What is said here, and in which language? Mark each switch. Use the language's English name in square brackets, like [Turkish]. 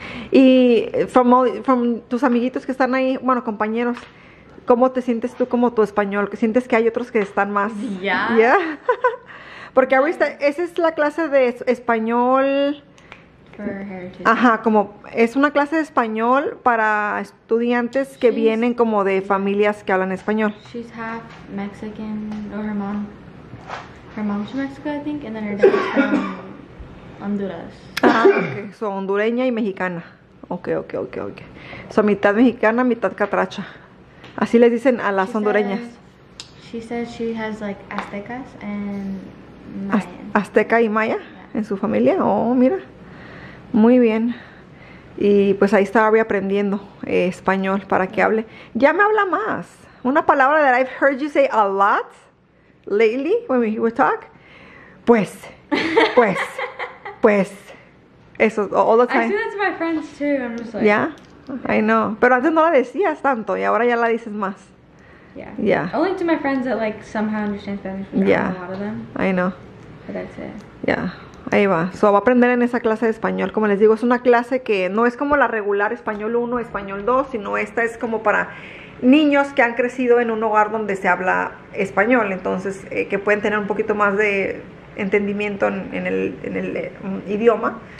[Spanish] Y [English] from [Spanish] tus amiguitos que están ahí, bueno, compañeros, ¿cómo te sientes tú como tu español? ¿Sientes que hay otros que están más? Ya. Yeah. ¿Ya? Yeah? Porque ahorita, esa es la clase de español... ajá, como es una clase de español para estudiantes que [English] she's, [Spanish] vienen como de familias que hablan español. [English] She's half Mexican, or her mom's from Mexico, I think, and then her dad's from Honduras. [Spanish] Ah, okay, so hondureña y mexicana. Ok. So, mitad mexicana, mitad catracha. Así les dicen a las hondureñas. [English] She says she has like Aztecas and [Spanish] Maya. Azteca y Maya, yeah, en su familia. Oh, mira. Muy bien. Y pues ahí está Ari aprendiendo español para que hable. Ya me habla más. Una palabra [English] that I've heard you say a lot lately when we would talk. [Spanish] Pues. Pues. Pues. Eso, [English] all the time. I say that to my friends too. I'm just like. Yeah. Okay. I know. [Spanish] Pero antes no la decías tanto y ahora ya la dices más. [English] Yeah. Yeah. Only to my friends that like somehow understand Spanish. Yeah. A lot of them. I know. But that's it. [Spanish] Yeah. Ahí va. So, va a aprender en esa clase de español. Como les digo, es una clase que no es como la regular español 1, español 2, sino esta es como para niños que han crecido en un hogar donde se habla español. Entonces, que pueden tener un poquito más de entendimiento en el idioma.